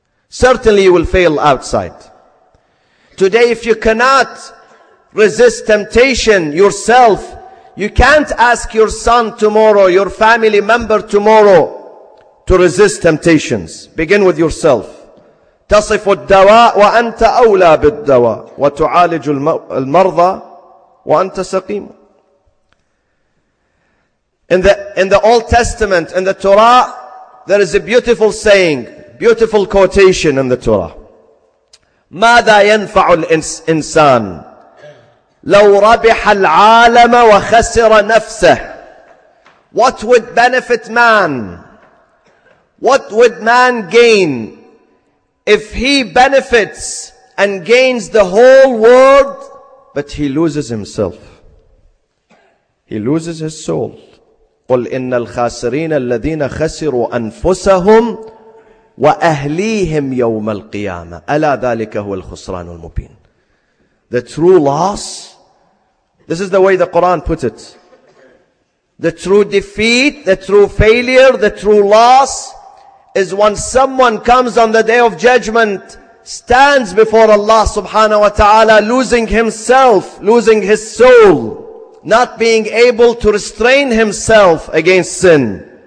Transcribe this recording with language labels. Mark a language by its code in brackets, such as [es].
[en] Certainly you will fail outside. Today, if you cannot resist temptation yourself, you can't ask your son tomorrow, your family member tomorrow, to resist temptations. Begin with yourself. [ar] تصف الدواء وأنت أولى بالدواء وتعالج المرضى وأنت سقيم. [en] In the Old Testament, in the Torah, there is a beautiful saying, beautiful quotation in the Torah. [ar] ماذا ينفع الإنسان لو ربح العالم وخسر نفسه. [en] What would benefit man? What would man gain if he benefits and gains the whole world, but he loses himself? He loses his soul. [ar] قل إن الخاسرين الذين خسروا أنفسهم وأهليهم يوم القيامة ألا ذلك هو الخسران المبين. [en] The true loss, this is the way the Quran put it, the true defeat, the true failure, the true loss is when someone comes on the day of judgment, stands before Allah subhanahu wa ta'ala, losing himself, losing his soul, not being able to restrain himself against sin.